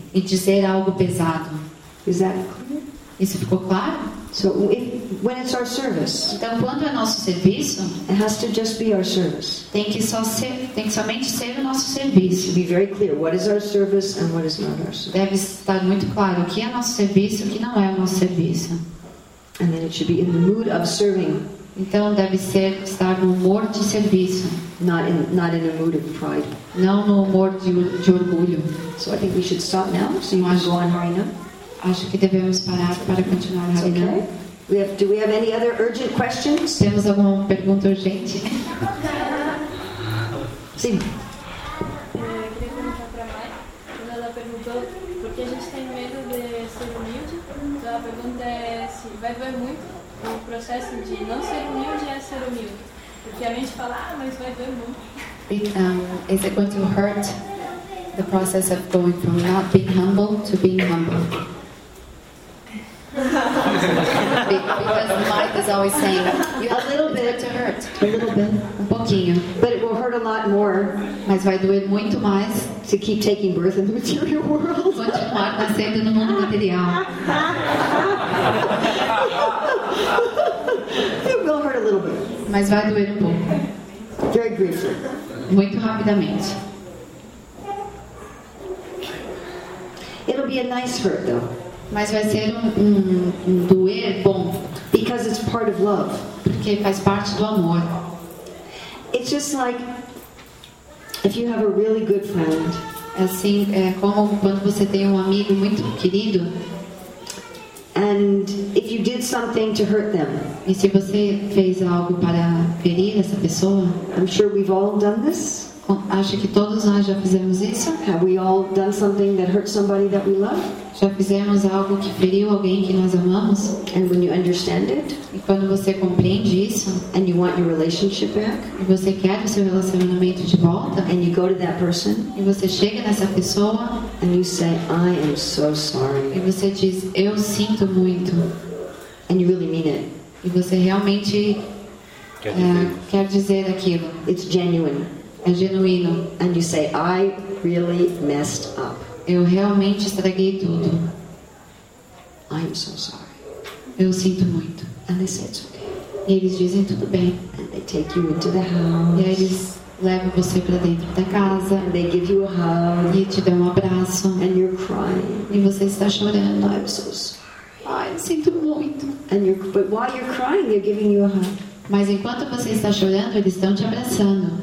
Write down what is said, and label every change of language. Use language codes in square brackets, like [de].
[pt] e dizer algo pesado. [en] Is that clear? [pt] Isso ficou claro? [en] So when it's our service, [pt] então quando é nosso serviço, [en] it has to just be our service. [pt] Tem que somente ser o nosso serviço. [en] To be very clear, what is our service and what is not our service. [pt] Deve estar muito claro o que é nosso serviço, o que não é o nosso serviço. [en] And then it should be in the mood of serving. [pt] Então deve estar no humor de serviço. [en] Not in a mood of pride. [pt] Não no humor de orgulho. [en] So I think we should stop now. So you want to go on right now? [pt] Acho que devemos parar para continuar. [en] Okay. Do we have any other urgent questions? [pt] Temos alguma pergunta urgente? Sim. Eu queria perguntar para a Mai, quando ela perguntou por que a gente tem medo de ser humilde. Então a pergunta é se vai doer muito o processo de não ser humilde é ser humilde. Porque a gente fala, mas vai doer muito. [en] Is it going to hurt the process of going from not being humble to being humble? Because Mike is always saying you have a little bit to hurt. A little bit. [pt] Um pouquinho. [en] But it will hurt a lot more. [pt] Mas vai doer muito mais [en] to keep taking birth in the material world. [pt] Continuar nascendo no mundo material. [en] It will hurt a little bit. [pt] Mas vai doer pouco. [en] Very briefly. [pt] Muito rapidamente. [en] It'll be a nice hurt though. [pt] Mas vai ser um doer bom. [en] Because it's part of love. [pt] Porque faz parte do amor. [en] It's just like if you have a really good friend. [pt] Assim, é como quando você tem um amigo muito querido. [en] And if you did something to hurt them. [pt] E se você fez algo para ferir essa pessoa. [en] I'm sure we've all done this. [pt] Acho que todos nós já fizemos isso. [en] Have we all done something that hurt somebody that we love? [pt] Já fizemos algo que feriu alguém que nós amamos? [en] And when you understand it, [pt] e quando você compreende isso, [en] and you want your relationship back, [pt] e você quer o seu relacionamento de volta, [en] and you go to that person, [pt] e você chega nessa pessoa, [en] and you say, I am so sorry, [pt] e você diz, eu sinto muito, [en] and you really mean it, [pt] e você realmente quer dizer aquilo, [en] it's genuine. [pt] É genuíno. [en] And you say, I really messed up. [pt] Eu realmente estraguei tudo. [en] I am so sorry. [pt] Eu sinto muito. [en] And they say, it's okay. [pt] E eles dizem, tudo bem. [en] And they take you into the house. [pt] E aí eles levam você para dentro da casa. [en] And they give you a hug. [pt] E te dão um abraço. [en] And you're crying. [pt] E você está chorando. [en] I'm so sorry. [pt] Ai, eu sinto muito. [en] And but while you're crying, they're giving you a hug. [pt] Mas enquanto você está chorando, eles estão te abraçando.